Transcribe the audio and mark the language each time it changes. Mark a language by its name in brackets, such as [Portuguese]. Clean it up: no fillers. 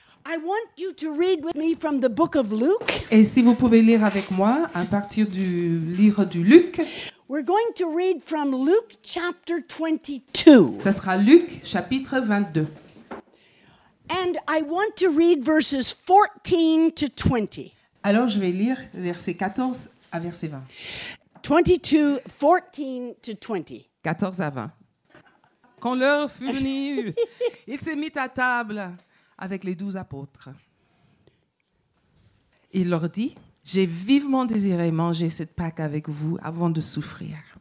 [English] I want you to read with me from the book of Luke. [French] Et si vous pouvez lire avec moi à partir du livre du Luc. [English] We're going to read from Luke chapter 22. [French] Ça sera Luc chapitre 22. [English] And I want to read verses 14 to 20. [French] Alors je vais lire verset 14 à verset 20. [English] 22, 14 to 20. [French] 14 à 20. Quand l'heure fut venue, il s'est mis à table avec les 12 apôtres. Il leur dit, « J'ai vivement désiré manger cette Pâque avec vous avant de souffrir.